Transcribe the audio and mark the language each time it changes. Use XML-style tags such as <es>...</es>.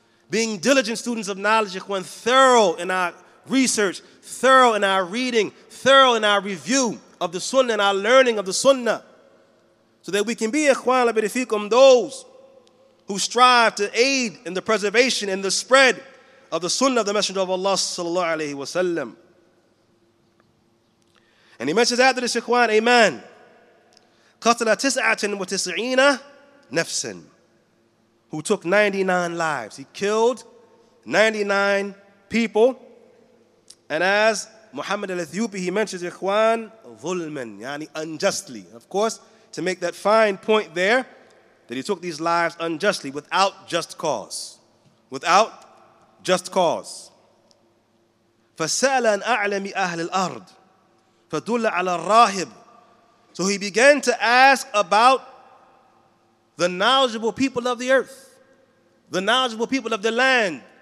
<en>Being diligent students of knowledge, Ikhwan, thorough in our research, thorough in our reading, thorough in our review of the sunnah and our learning of the sunnah, so that we can be, Ikhwan, labirifikum, those who strive to aid in the preservation and the spread of the sunnah of the Messenger of Allah sallallahu alayhi wa sallam. And he mentions after this, Ikhwan, amen.</en> <ar>قَتَلَ تِسْعَةٍ وَتِسْعِينَ نَفْسٍ</ar> <en>who took 99 lives. He killed 99 people. And as Muhammad al-Athyupi, he mentions Ikhwan, ظُلْمًا, yani unjustly. Of course, to make that fine point there, that he took these lives unjustly, without just cause. Without just cause.</en> <ar>فَسَأَلَ أَنْ أَعْلَمِ أَهْلِ الْأَرْضِ فَدُلَّ عَلَى الرَّاهِبِ</ar> <en>So he began to ask about the knowledgeable people of the earth, the knowledgeable people of the land.</en>